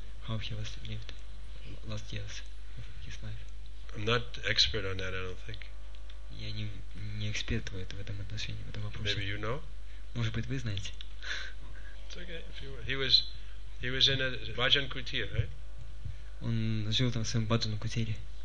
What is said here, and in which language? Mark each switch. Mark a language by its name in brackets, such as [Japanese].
[English] How he was lived last years of his life? I'm not expert on that, I don't think. [Russian] Я не эксперт в этом отношении, в этом вопросе. [English] Maybe you know? [Russian] Может быть, вы знаете? [English] It's okay, if you were. He was in a Bhajan Kutir, right? [Russian] Он жил там в своем Bhajan Kutiri.